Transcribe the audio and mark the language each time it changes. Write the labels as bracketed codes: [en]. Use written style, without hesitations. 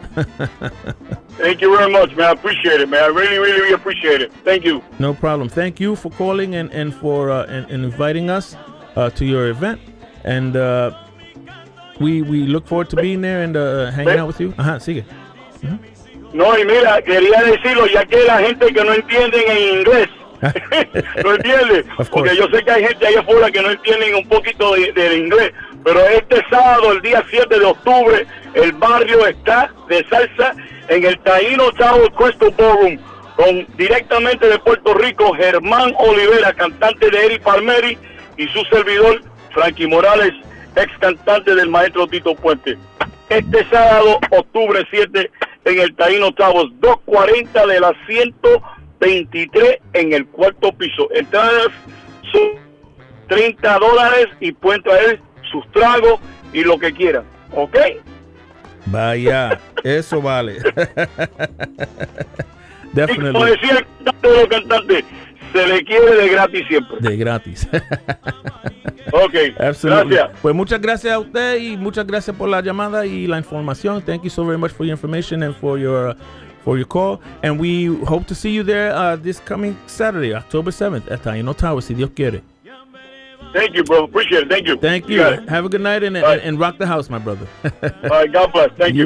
[en] Thank you very much, man. I appreciate it, man. I really, really, really appreciate it. Thank you. No problem. Thank you for calling and for and inviting us to your event, and we look forward to being there and hanging out with you. Uh-huh. Sigue. Mm-hmm. [es] No, y mira, quería decirlo, ya que la gente que no entienden en inglés, ¿no entiende? Porque yo sé que hay gente ahí afuera que no entienden un poquito del inglés, pero este sábado, el día 7 de octubre, el barrio está de salsa en el Taino Tower Crystal Ballroom, con directamente de Puerto Rico, Germán Olivera, cantante de Eric Palmieri, y su servidor, Frankie Morales, ex cantante del maestro Tito Puente. Este sábado, octubre 7, en el Taino Towers, 240 de la 123 en el cuarto piso. Entradas son $30 y pueden traer sus tragos y lo que quieran. ¿Ok? Vaya, eso vale. [en] Definitely. [es] Y como decía el cantante de los cantantes, se le quiere de gratis siempre. De gratis. [en] Okay. Absolutely. [es] Gracias. Pues muchas gracias a usted y muchas gracias por la llamada y la información. [en] Thank you so very much for your information and for your call. And we hope to see you there this coming Saturday, October 7th, at Taino Tower, [es] si Dios quiere. [en] Thank you, bro. Appreciate it. Thank you. Thank you. Have a good night and rock the house, my brother. All right. God bless. Thank you.